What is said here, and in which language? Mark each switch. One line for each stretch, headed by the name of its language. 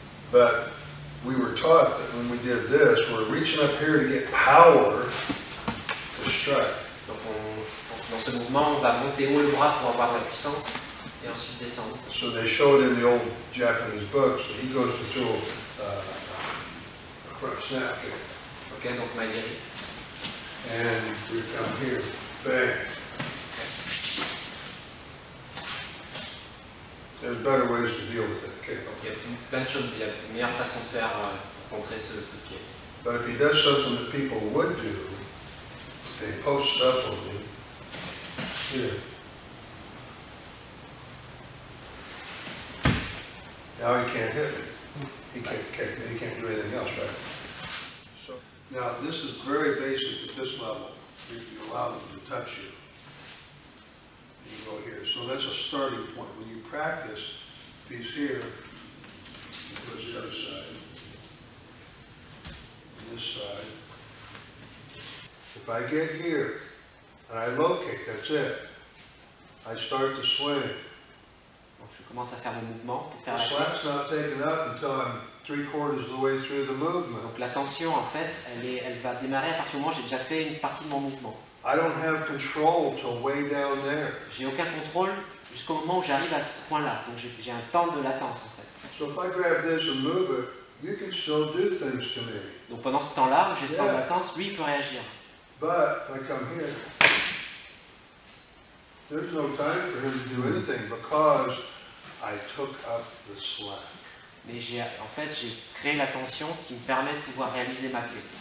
English: But we were taught that when we did this, we're reaching up here to get power to strike.
French: Donc dans ce mouvement, on va monter haut le bras pour avoir la puissance et ensuite descendre.
English: So they showed in the old Japanese books that he goes to do a front snap kick.
French: Okay, donc Maïri.
English: And we come here, bang. There's better ways to deal with it. Okay.
French: Donc, il y a plein de choses, il y a une meilleure façon de faire pour contrer ce coup de pied.
English: But if he does something that people would do, they post stuff on me. Now he can't hit me. He can't kick me. He can't do anything else, right? So now this is very basic at this level. You allow them to touch you. You go here. So that's a starting point. When you practice, if he's here, he goes to the other side. And this side. If I get here and I locate, that's it. I start to swing.
French: Donc je commence à faire le mouvement pour faire
English: the
French: la kick.
English: The slap's not taken up until I'm three quarters of the way through the movement.
French: Donc la tension en fait, elle va démarrer à partir du moment où j'ai déjà fait une partie de mon mouvement.
English: I don't have control till way down there.
French: J'ai aucun contrôle jusqu'au moment où j'arrive à ce point-là. Donc j'ai un temps de latence en fait.
English: So if I grab this and move it, you can still do things to me.
French: Donc pendant ce temps-là, où j'ai ce temps de latence, lui il peut réagir.
English: But if I come here. There's no time for him to do anything because I took up the slack.
French: Mais j'ai, en fait, j'ai créé la tension qui me permet de pouvoir réaliser ma clé.